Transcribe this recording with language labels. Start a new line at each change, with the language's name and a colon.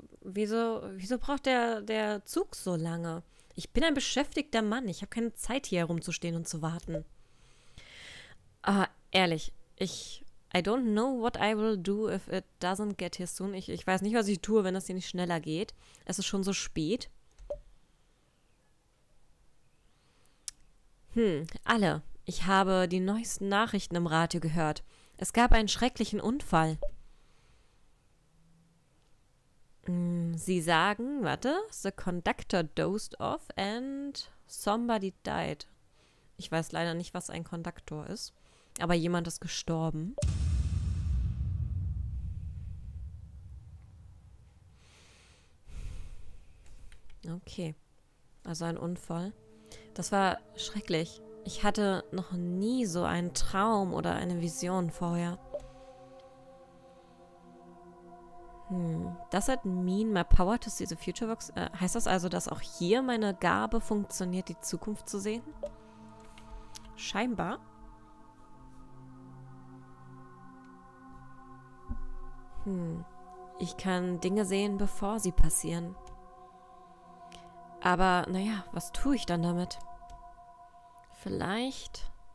German: Wieso braucht der Zug so lange? Ich bin ein beschäftigter Mann. Ich habe keine Zeit, hier herumzustehen und zu warten. Ah, ehrlich.
English: I don't know what I will do if it doesn't get here soon.
German: Ich weiß nicht, was ich tue, wenn das hier nicht schneller geht. Es ist schon so spät. Alle. Ich habe die neuesten Nachrichten im Radio gehört. Es gab einen schrecklichen Unfall. Sie sagen, warte,
English: the conductor dozed off and somebody died.
German: Ich weiß leider nicht, was ein Konduktor ist, aber jemand ist gestorben. Okay, also ein Unfall. Das war schrecklich. Ich hatte noch nie so einen Traum oder eine Vision vorher.
English: Does that mean my power to see the future works?
German: Heißt das also, dass auch hier meine Gabe funktioniert, die Zukunft zu sehen? Scheinbar. Ich kann Dinge sehen, bevor sie passieren. Aber, naja, was tue ich dann damit? Vielleicht.